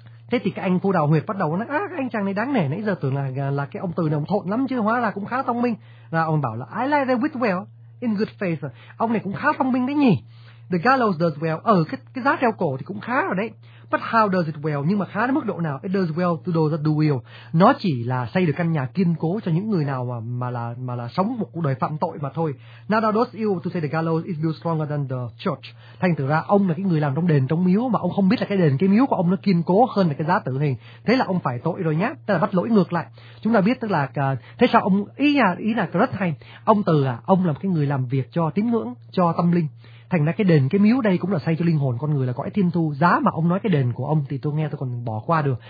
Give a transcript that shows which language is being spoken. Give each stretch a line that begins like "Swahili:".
Vietnamese: Thế thì cái anh phu đào huyệt bắt đầu nói, anh chàng này đáng nể, nãy giờ tưởng là cái ông từ này ông thộn lắm chứ hóa ra cũng khá thông minh. Là ông bảo là
English: I like the wit well, in good faith.
Vietnamese: Ông này cũng khá thông minh đấy nhỉ.
English: The gallows does well.
Vietnamese: Ờ, cái giá treo cổ thì cũng khá rồi đấy.
English: But how does it well?
Vietnamese: Nhưng mà khá đến mức độ nào?
English: It does well to those that do well.
Vietnamese: Nó chỉ là xây được căn nhà kiên cố cho những người nào mà là sống một cuộc đời phạm tội mà thôi.
English: Now that does you to say the gallows is built stronger than the church.
Vietnamese: Thành thử ra ông là cái người làm trong đền, trong miếu mà ông không biết là cái đền, cái miếu của ông nó kiên cố hơn là cái giá tử hình. Thế là ông phải tội rồi nhá. Tức là bắt lỗi ngược lại. Chúng ta biết tức là thế sao ông ý là rất hay. Ông từ à, ông là một cái người làm việc cho tín ngưỡng, cho tâm linh. Thành ra cái đền, cái miếu đây cũng là xây cho linh hồn con người, là cõi thiên thu. Giá mà ông nói cái đền của ông thì tôi nghe tôi còn bỏ qua được.